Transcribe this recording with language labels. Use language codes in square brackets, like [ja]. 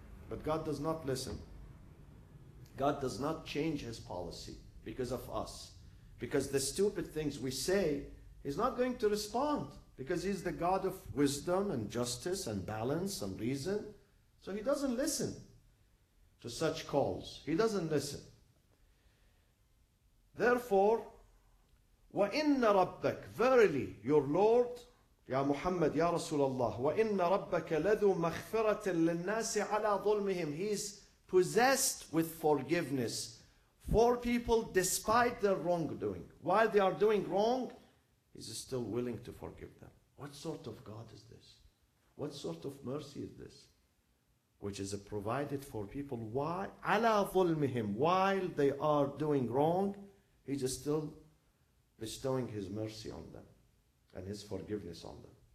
[en] But God does not listen. God does not change his policy because of us. Because the stupid things we say, he's not going to respond. Because he's the God of wisdom and justice and balance and reason. So he doesn't listen to such calls. He doesn't listen. Therefore, [ar] وَإِنَّ رَبَّكَ [en] Verily, your Lord, [ar] يا محمد, يا رسول الله, وَإِنَّ رَبَّكَ لَذُو مَغْفِرَةٍ لِلنَّاسِ عَلَى ظُلْمِهِمْ [en] He's possessed with forgiveness for people despite their wrongdoing. While they are doing wrong, he's still willing to forgive them. What sort of God is this? What sort of mercy is this? Which is provided for people [ar] عَلَى ظُلْمِهِمْ [en] While they are doing wrong, he's still bestowing his mercy on them and his forgiveness on them.